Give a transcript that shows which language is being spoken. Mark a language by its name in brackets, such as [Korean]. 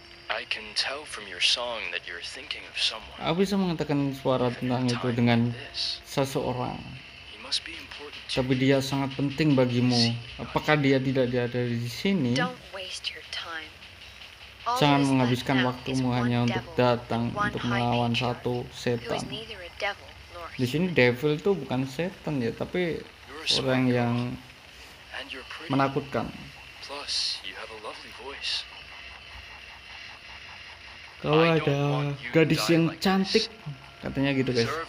[English] I can tell from your song that you're thinking of someone. [Indonesian] Aku bisa mengatakan suara tentang itu dengan seseorang. [English] He must be important. [Indonesian] Tapi dia sangat penting bagimu. Apakah dia tidak ada di sini? [English] Don't waste your time. [Indonesian] Jangan menghabiskan waktumu hanya untuk datang untuk melawan satu setan. Di sini devil tuh bukan setan ya, tapi orang yang menakutkan. [English] Plus, you have a lovely voice. [Indonesian] Kau ada gadis yang cantik, katanya gitu, guys.